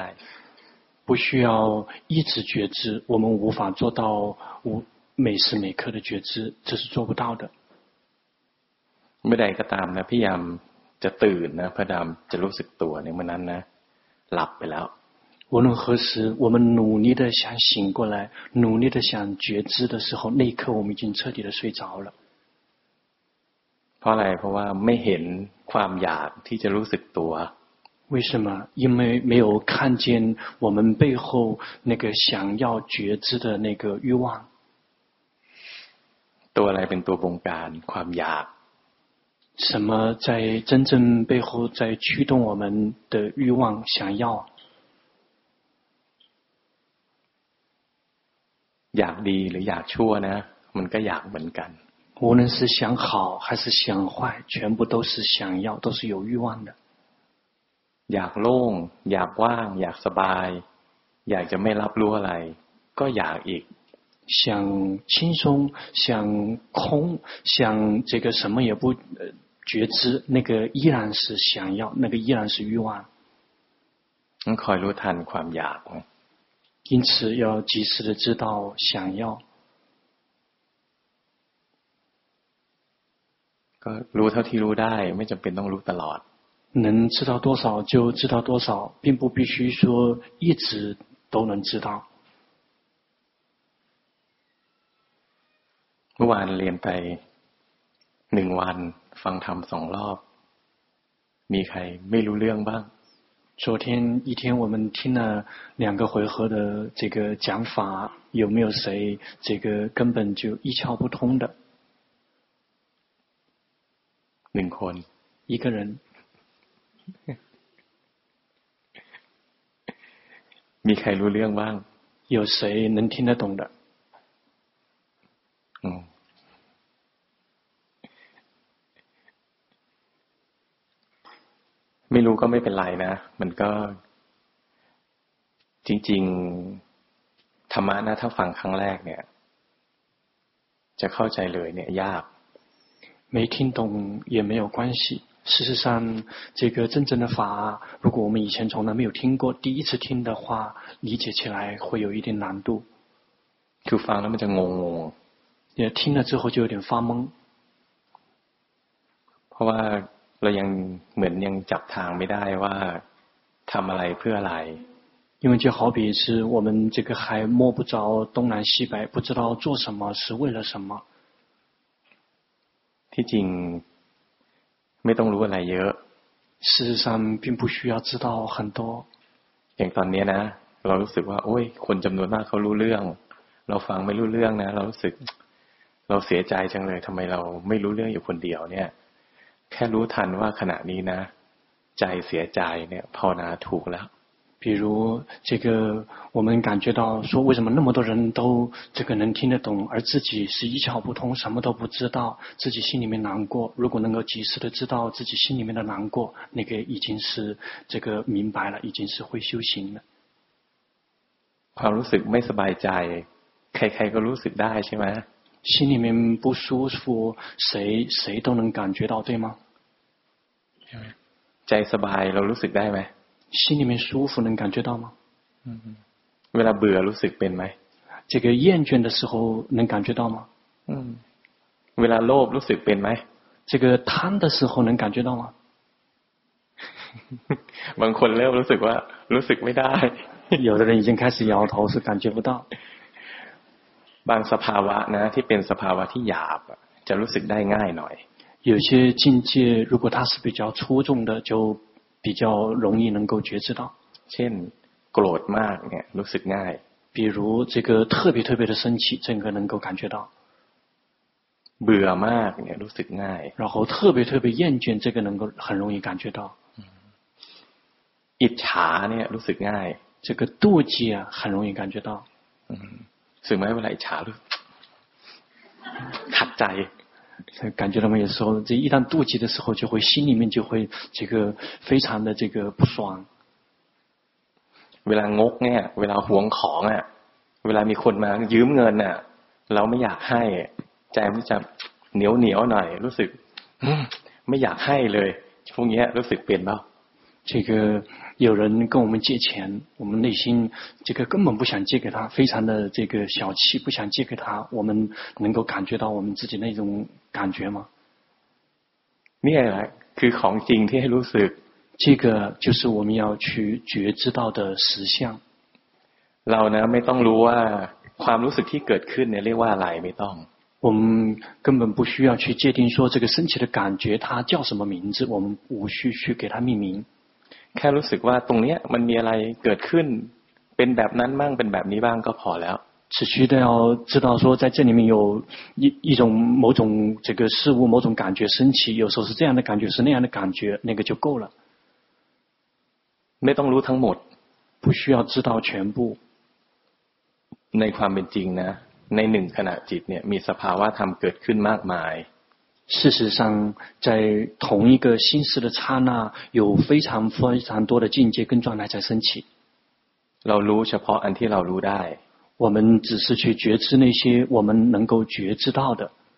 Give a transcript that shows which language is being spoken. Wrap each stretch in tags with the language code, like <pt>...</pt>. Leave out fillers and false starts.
<zh>不需要一直觉知我们无法做到每时每刻的觉知这是做不到的</zh> <th>ไม่ได้ก็ตามนะพยายามจะตื่นนะพยายามจะรู้สึกตัวในเมื่อนั้นนะหลับไปแล้ว</th> <zh>无论何时我们努力的想醒过来努力的想觉知的时候那一刻我们已经彻底的睡着了</zh> <th>เพราะอะไรเพราะว่าไม่เห็นความอยากที่จะรู้สึกตัว</th> <zh>为什么因为没有看见我们背后那个想要觉知的那个欲望</zh> <th>ตัวอะไรเป็นตัวบงการความอยาก</th> <zh>什么在真正背后在驱动我们的欲望想要</zh> <th>อยากดีหรืออยากชั่วนะมันก็อยากเหมือนกัน</th> <zh>无论是想好还是想坏全部都是想要都是有欲望的</zh> <th>อยากโล่งอยากว่างอยากสบายอยากจะไม่รับรู้อะไรก็อยากอีก</th> <zh>想轻松想空想这个什么也不觉知那个依然是想要那个依然是欲望</zh> <th>คอยรู้ทันความอยาก</th> <zh>因此要及时的知道想要</zh> <th>ก็รู้เท่าที่รู้ได้ไม่จำเป็นต้องรู้ตลอด</th> <zh>能知道多少就知道多少并不必须说一直都能知道</zh> <th>เมื่อวานเรียนไป1วันฟังธรรม2รอบมีใครไม่รู้เรื่องบ้าง</th> <zh>昨天一天我们听了两个回合的这个讲法有没有谁这个根本就一窍不通的</zh> <th>หนึ่งคน</th> <zh>一个人</zh> <th>มีใครรู้เรื่องบ้าง</th> <zh>有谁能听得懂的</zh> <th>ไม่รู้ก็ไม่เป็นไรนะมันก็จริงๆธรรมะนะถ้าฟังครั้งแรกเนี่ยจะเข้าใจเลยเนี่ยยาก</th> <zh>没听懂也没有关系。事实上，这个真正的法，如果我们以前从来没有听过，第一次听的话，理解起来会有一点难度。就放那么就懵懵。也听了之后就有点发懵。</zh> <th>เพราะว่าเรายังเหมือนยังจับทางไม่ได้ว่าทำอะไรเพื่ออะไร。</th> <zh>因为就好比是我们这个还摸不着东南西北，不知道做什么是为了什么。</zh> <th>ที่จริงไม่ต้องรู้อะไรเยอะ</th> <zh>事实上并不需要知道很多</zh> <th>อย่างตอนนี้นะเรารู้สึกว่าโอ้ยคนจำนวนมากเขารู้เรื่องเราฟังไม่รู้เรื่องนะเรารู้สึกเราเสียใจจังเลยทำไมเราไม่รู้เรื่องอยู่คนเดียวเนี่ยแค่รู้ทันว่าขณะนี้นะใจเสียใจเนี่ยภาวนาถูกแล้ว</th> <zh>比如这个我们感觉到说为什么那么多人都这个能听得懂而自己是一窍不通什么都不知道自己心里面难过如果能够及时的知道自己心里面的难过那个已经是这个明白了已经是会修行了</zh> <th>ความรู้สึกไม่สบายใจใครๆก็รู้สึกได้ใช่ไหม</th> <zh>心里面不舒服谁都能感觉到对吗</zh> <th>ใจสบายเรารู้สึกได้ไหม</th> <zh>心里面舒服能感觉到吗</zh> <th>เวลาเบื่อรู้สึกเป็นไหม</th> <zh>这个厌倦的时候能感觉到吗</zh> <th>เวลาโลภรู้สึกเป็นไหม</th> <zh>这个贪的时候能感觉到吗</zh> <th>บางคนเริ่มรู้สึกว่ารู้สึกไม่ได้</th> <zh>有的人已经开始摇头是感觉不到</zh> <th>บางสภาวะนะที่เป็นสภาวะที่หยาบจะรู้สึกได้ง่ายหน่อย</th> <zh>有些境界如果它是比较粗重的就比较容易能够觉知到</zh> <th>เช่นโกรธมากเนี่ยรู้สึกง่าย</th> <zh>比如这个特别特别的生气整个能够感觉到</zh> <th>เบื่อมากเนี่ยรู้สึกง่าย</th> <zh>然后特别特别厌倦这个能够很容易感觉到</zh> <th>อิจฉาเนี่ยรู้สึกง่าย</th> <zh>这个妒忌啊很容易感觉到</zh> <th>สึกไหมเวลาอิจฉาลูกขัดใจ</th> <zh>感觉到没有时候这一旦妒忌的时候就会心里面就会这个非常的这个不爽</zh> <th>เวลางกเนี่ยเวลาหวงของอ่ะเวลามีคนมายืมเงินอ่ะเราไม่อยากให้ใจมันจะเหนียวเหนียวหน่อยรู้สึกไม่อยากให้เลยพวกนี้รู้สึกเปลี่ยนเปล่า</th> <zh>这个有人跟我们借钱我们内心这个根本不想借给他非常的这个小气不想借给他我们能够感觉到我们自己那种感觉吗</zh> <th>นี่แหละคือของจริงที่ให้รู้สึก</th> <zh>这个就是我们要去觉知到的实相</zh> <th>เราเนี่ยไม่ต้องรู้ว่าความรู้สึกที่เกิดขึ้นเนี่ยเรียกว่าอะไรไม่ต้อง</th> <zh>我们根本不需要去界定说这个升起的感觉它叫什么名字我们无需去给它命名</zh> <th>แค่รู้สึกว่าตรงนี้มันมีอะไรเกิดขึ้นเป็นแบบนั้นบ้างเป็นแบบนี้บ้างก็พอแล้ว</th> <zh>只需要知道说在这里面有一种某种这个事物某种感觉升起有时候是这样的感觉是那样的感觉那个就够了</zh> <th>ไม่ต้องรู้ทั้งหมด</th> <zh>不需要知道全部</zh> <th>ในความเป็นจริงนะในหนึ่งขณะจิตเนี่ยมีสภาวะธรรมเกิดขึ้นมากมาย</th> <zh>事实上在同一个心识的刹那有非常非常多的境界跟状态在升起</zh> <th>เรารู้เฉพาะอันที่เรารู้ได้</th> <zh>我们只是去觉知那些我们能够觉知到的</zh>